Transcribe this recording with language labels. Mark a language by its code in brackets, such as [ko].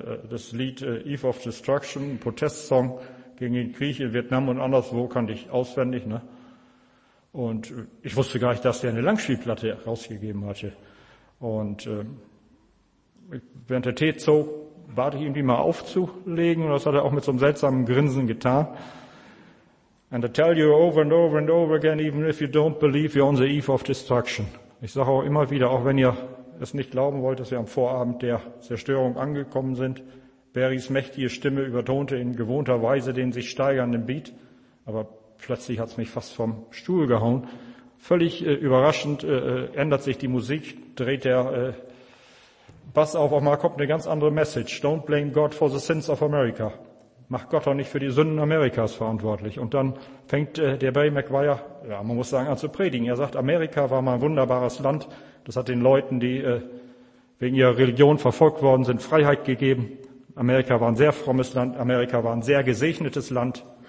[de] Das Lied Eve of Destruction, ein Protestsong gegen den Krieg in Vietnam und anderswo, kannte ich auswendig. Ne? Und ich wusste gar nicht, dass der eine Langspielplatte rausgegeben hatte. Und während der Tee zog, bat ich ihn, die mal aufzulegen. Und das hat er auch mit so einem seltsamen Grinsen getan. [en] And I tell you over and over and over again, even if you don't believe, you're on the eve of destruction. [de] Ich sage auch immer wieder, auch wenn ihr es nicht glauben wollt, dass wir am Vorabend der Zerstörung angekommen sind, Barrys mächtige Stimme übertonte in gewohnter Weise den sich steigernden Beat, aber plötzlich hat es mich fast vom Stuhl gehauen. Völlig überraschend ändert sich die Musik, dreht der Bass auf einmal kommt eine ganz andere Message. [en] Don't blame God for the sins of America. [de] Mach Gott doch nicht für die Sünden Amerikas verantwortlich. Und dann fängt der Barry McGuire, ja, man muss sagen, an zu predigen. Er sagt, Amerika war mal ein wunderbares Land. Das hat den Leuten, die wegen ihrer Religion verfolgt worden sind, Freiheit gegeben. Amerika war ein sehr frommes Land, Amerika war ein sehr gesegnetes Land.